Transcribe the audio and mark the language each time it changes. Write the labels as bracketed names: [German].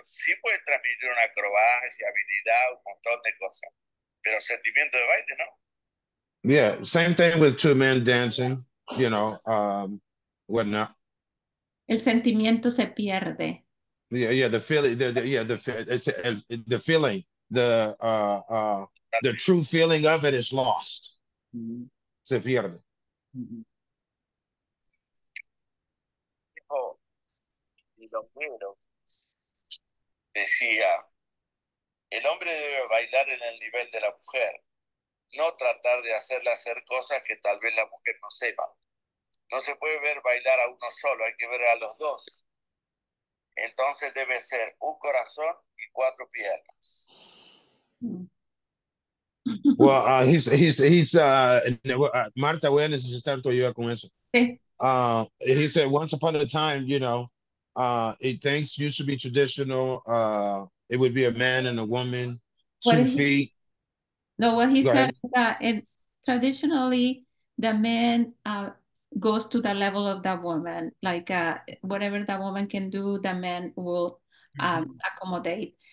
[Spanish] Sí pueden transmitir una acrobacia, habilidad, un montón de cosas. Pero sentimiento de baile, ¿no? [English] Yeah, same thing with two men dancing, you know, whatnot. [Spanish] El sentimiento se pierde. [English] Yeah, the feeling, the feeling, the true feeling of it is lost. [Spanish] Se pierde. Romero decía, el hombre debe bailar en el nivel de la mujer, no tratar de hacerle hacer cosas que tal vez la mujer no sepa. No se puede ver bailar a uno solo, hay que ver a los dos. Entonces debe ser un corazón y cuatro piernas. Well, Marta, voy a necesitar tu ayuda con eso. [English] He said, once upon a time, you know, things used to be traditional. It would be a man and a woman, two feet. No, what he said is that traditionally the man goes to the level of the woman, like whatever the woman can do, the man will accommodate.